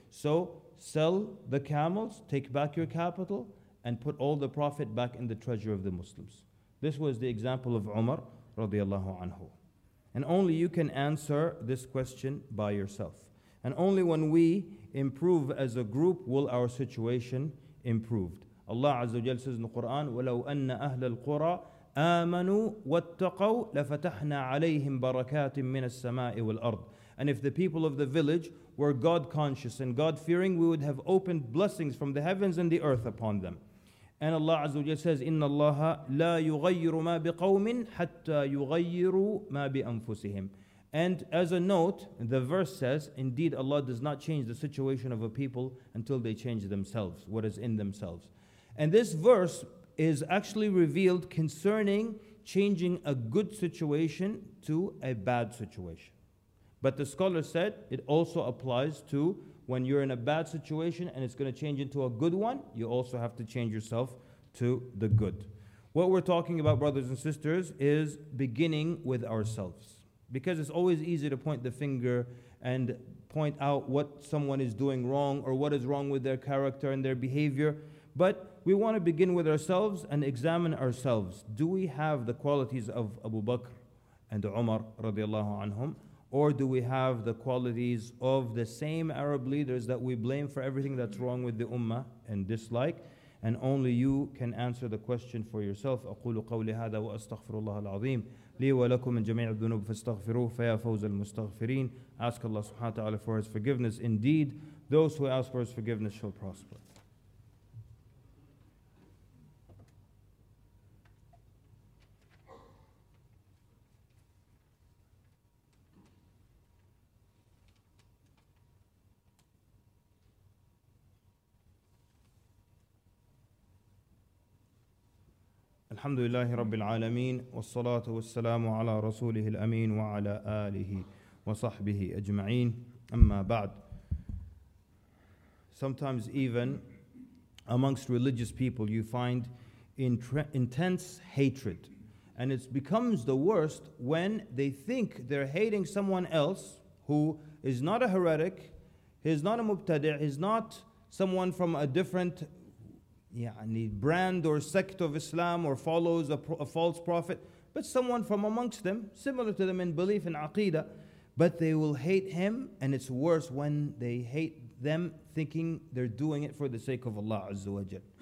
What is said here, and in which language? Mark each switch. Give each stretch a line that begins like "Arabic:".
English: So sell the camels, take back your capital, and put all the profit back in the treasury of the Muslims. This was the example of Umar radiallahu anhu. And only you can answer this question by yourself. And only when we improve as a group will our situation improve. Allah Azza wa Jalla says in the Quran,
Arabic: وَلَوْ أَنَّ أَهْلَ الْقُرَىٰ آمَنُوا وَاتَّقَوْا لَفَتَحْنَا عَلَيْهِمْ بَرَكَاتٍ مِّنَ السَّمَاءِ وَالْأَرْضِ.
English: And if the people of the village were God-conscious and God-fearing, we would have opened blessings from the heavens and the earth upon them. And Allah Azza wa Jalla says,
Arabic: إِنَّ اللَّهَ لَا يُغَيِّرُ مَا بِقَوْمٍ حَتَّى يُغَيِّرُوا مَا بِأَنفُسِهِمْ.
English: And as a note, the verse says, indeed Allah does not change the situation of a people until they change themselves, what is in themselves. And this verse is actually revealed concerning changing a good situation to a bad situation. But the scholar said it also applies to when you're in a bad situation and it's going to change into a good one, you also have to change yourself to the good. What we're talking about, brothers and sisters, is beginning with ourselves. Because it's always easy to point the finger and point out what someone is doing wrong or what is wrong with their character and their behavior. But we want to begin with ourselves and examine ourselves. Do we have the qualities of Abu Bakr and Umar radiallahu anhum? Or do we have the qualities of the same Arab leaders that we blame for everything that's wrong with the Ummah and dislike? And only you can answer the question for yourself.
Arabic: أقول قولي هذا وأستغفر الله العظيم لي ولكم من جميع الذنوب فاستغفروه فيا فوز المستغفرين.
English: Ask Allah subhanahu wa ta'ala for His forgiveness. Indeed, those who ask for His forgiveness shall prosper.
Arabic: الحمد لله رب العالمين والصلاة والسلام على رسوله الأمين وعلى آله وصحبه أجمعين أما بعد.
English: Sometimes even amongst religious people you find intense hatred And it becomes the worst when they think they're hating someone else who is not a heretic, he's not a mubtadi', he's not someone from a different brand or sect of Islam or follows a false prophet, but someone from amongst them, similar to them in belief in aqidah, but they will hate him, and it's worse when they hate them thinking they're doing it for the sake of Allah Azza wa Jal.